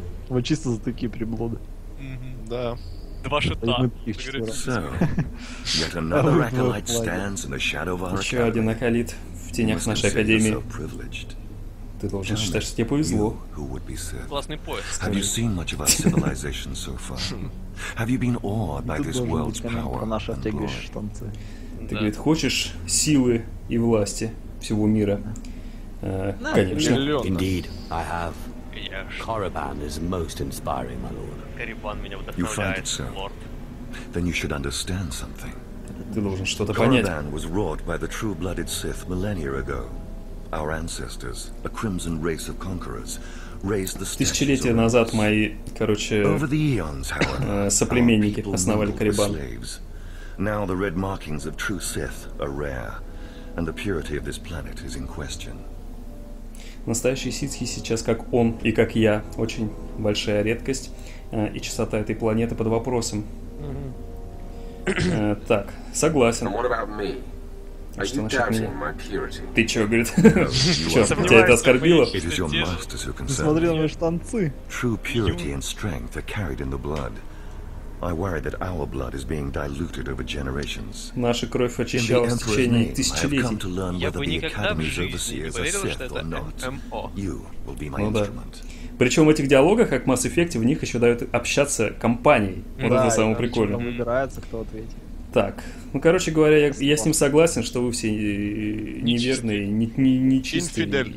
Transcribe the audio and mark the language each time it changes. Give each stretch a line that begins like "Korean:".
Russian: Вот чисто за такие приблуды. Да. Два шута. Еще один акалит в тенях нашей академии. Ты должен считать, что тебе повезло. Классный поезд.
English: Have you seen much of our civilization so far? Have you been awed by this world's power and glory?
Russian: Ты говорит, хочешь силы и власти всего мира? Конечно.
English: Indeed, I have. Caraban is most inspiring, my lord.
Russian: Caraban меня вдохновляет.
English: You find it so? Then you should understand something.
Russian: Ты должен что-то понять.
English: Caraban was wrought by the true-blooded Sith millennia ago. Our ancestors, a crimson race of conquerors, raised the statues.
Russian: Тысячелетия назад мои, короче, соплеменники основали Карибан.
English: Now the red markings of true Sith are rare, and the purity of this planet is in question.
Russian: Настоящие ситхи сейчас, как он и как я, очень большая редкость, и чистота этой планеты под вопросом. Так, согласен. А что насчет меня? Ты чё, говорит? Чё, тебя это оскорбило? Смотри на мои штанцы.
English: True purity and strength are carried in the blood. I worry that our blood is being diluted over generations.
Russian: Наша кровь очищалась в течение тысячелетий. Я бы никогда в жизни не поверил, что это ММО.
English: You will be my instrument.
Russian: Причем в этих диалогах, как в Mass Effect, в них еще дают общаться компанией. Вот это самое прикольное. Там выбирается, кто ответит. Так, ну короче говоря, я с ним согласен, что вы все неверные, нечистые.